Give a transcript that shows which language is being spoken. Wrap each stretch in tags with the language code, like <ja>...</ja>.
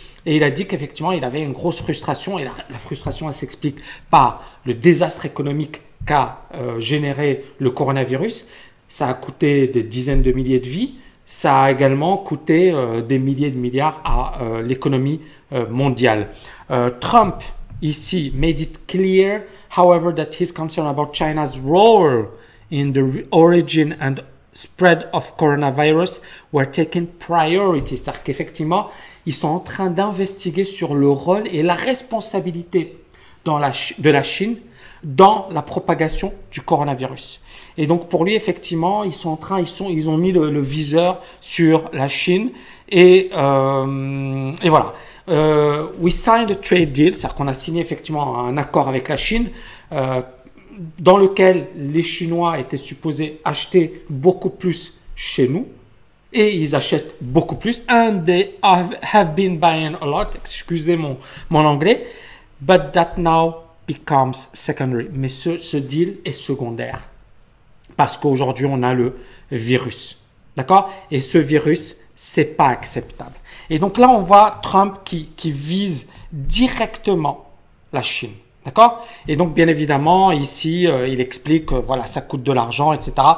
<fr>Et il a dit qu'effectivement, il avait une grosse frustration. Et la frustration, elle s'explique par le désastre économique qu'a généré le coronavirus. Ça a coûté des dizaines de milliers de vies. Ça a également coûté des milliers de milliards à l'économie mondiale.</fr> <en>Trump, ici, made it clear, however, that his concern about China's role in the origin and spread of coronavirus were taken priority.</en> <fr>C'est-à-dire qu'effectivement, ils sont en train d'investiguer sur le rôle et la responsabilité de la Chine dans la propagation du coronavirus. Et donc, pour lui, effectivement, ils ont mis le viseur sur la Chine. Et voilà.</fr> <en>We signed a trade deal,</en> <fr>c'est-à-dire qu'on a signé effectivement un accord avec la Chine dans lequel les Chinois étaient supposés acheter beaucoup plus chez nous. Et ils achètent beaucoup plus.</fr> <en>And they have been buying a lot,</en> <fr>excusez mon anglais.</fr> <en>But that now becomes secondary.</en> <fr>Mais ce deal est secondaire. Parce qu'aujourd'hui, on a le virus. D'accord? Et ce virus, ce n'est pas acceptable. Et donc là, on voit Trump qui vise directement la Chine. D'accord? Et donc, bien évidemment, ici, il explique que voilà, ça coûte de l'argent, etc.</fr>